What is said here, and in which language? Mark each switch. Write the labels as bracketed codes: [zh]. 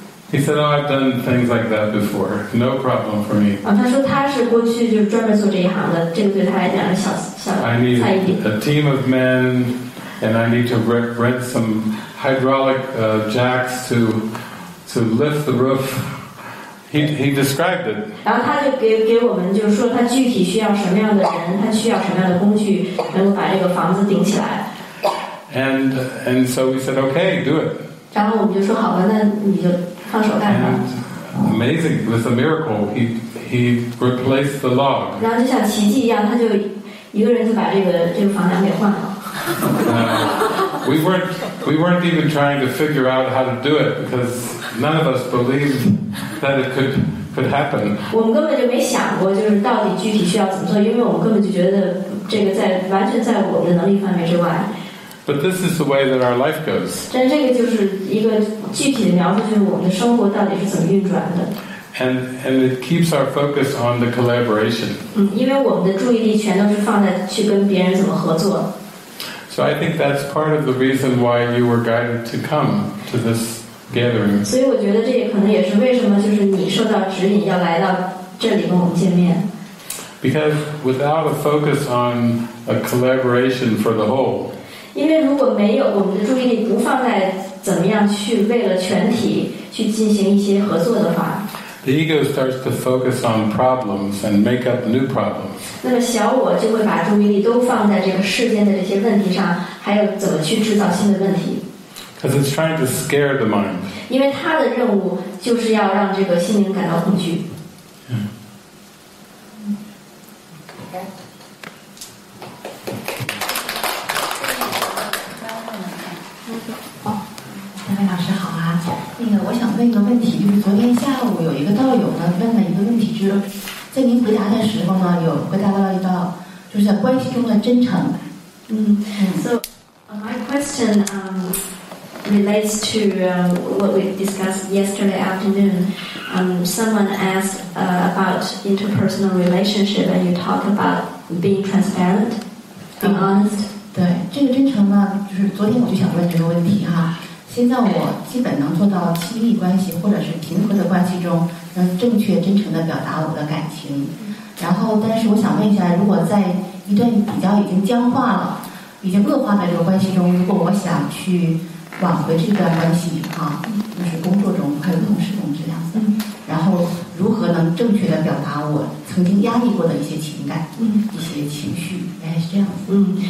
[en] He said, oh, I've done things like that before. No problem for me. [zh] 他说他是过去就专门做这一行的，这个对他来讲是小小菜一碟。 [en] I need a team of men, and I need to rent some hydraulic jacks to lift the roof. He described it. [zh] 然后他就给我们就是说他具体需要什么样的人，他需要什么样的工具，能够把这个房子顶起来。 [en] And so we said, okay, do it. [zh] 然后我们就说好吧，那你就放手干吧。 [en] Amazing, it was a miracle. He replaced the log. [zh] 然后就像奇迹一样，他就一个人就把这个房梁给换了。 [en] We weren't even trying to figure out how to do it because none of us believed that it could happen. [zh] 我们根本就没想过，就是到底具体需要怎么做，因为我们根本就觉得这个在完全在我们的能力范围之外。 [en] But this is the way that our life goes. [zh] 但这个就是一个具体的描述，就是我们的生活到底是怎么运转的。 [en] And it keeps our focus on the collaboration. [zh] 因为我们的注意力全都是放在去跟别人怎么合作。 [en] So I think that's part of the reason why you were guided to come to this gathering. [zh] 所以我觉得这也可能也是为什么就是你受到指引要来到这里跟我们见面。 [en] Because without a focus on a collaboration for the whole. [zh] 因为如果没有我们的注意力不放在怎么样去为了全体去进行一些合作的话。 [en] The ego starts to focus on problems and make up new problems. [zh] 那么小我就会把注意力都放在这个世间的这些问题上，还有怎么去制造新的问题。 [en] Because it's trying to scare the mind. [zh] 因为它的任务就是要让这个心灵感到恐惧。我想问一个问题，就是昨天下午有一个道友呢问了一个问题，就是在您回答的时候呢，有回答到了一道，就是在关系中的真诚。 [en] 嗯、So my question relates to what we discussed yesterday afternoon. Someone asked about interpersonal relationship, and you talk about being transparent, being honest. [zh] 对这个真诚呢，就是昨天我就想问这个问题哈。现在我基本能做到亲密关系或者是平和的关系中能正确真诚地表达我的感情，然后但是我想问一下，如果在一段比较已经僵化了已经恶化的这个关系中，如果我想去挽回这段关系啊，就是工作中还有同事中这样子，然后如何能正确地表达我曾经压抑过的一些情感一些情绪，哎，是这样子。